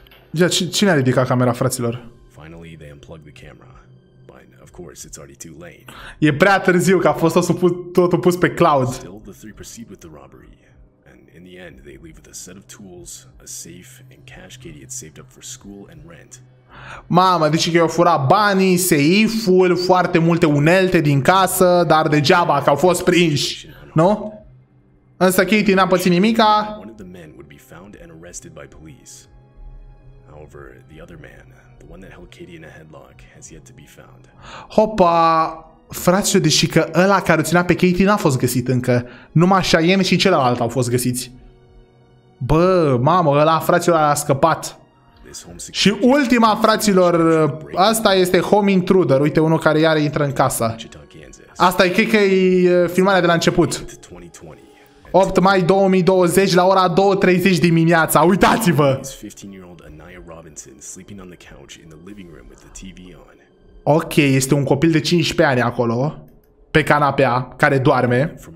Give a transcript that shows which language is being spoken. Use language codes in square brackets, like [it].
[ro] Ia, cine a ridicat camera, fraților? [en] Finally, they unplugged the camera. But of course, it's already too late. [ro] E prea târziu că a fost totul pus pe cloud. [en] Still, the three proceed with the robbery. And in the end, they leave with a set of tools, a safe, and cash Katie had saved up for school and rent. [ro] Mama, deci că i-au furat banii, seiful, foarte multe unelte din casă, dar degeaba că au fost prinși, nu? Însă Katie n-a pățit nimica. One of the men would be found and arrested by police. However, the other man, the one that held Katie in a headlock, has yet to be found. Hopa, frate, deci că ăla care o ținea pe Katie n-a fost găsit încă. Numai Cheyenne și celălalt au fost găsiți. Bă, mamă, ăla, fraților, a scăpat. Și ultima, fraților, asta este Home Intruder. Uite, unul care iar intră în casă. Asta e, cred că e filmarea de la început. 8 mai 2020 la ora 2:30 dimineața. Uitați-vă. [en] 15-year-old Anaya Robinson sleeping on the couch in the living room with the TV on. [ro] Ok, este un copil de 15 ani acolo pe canapea care doarme.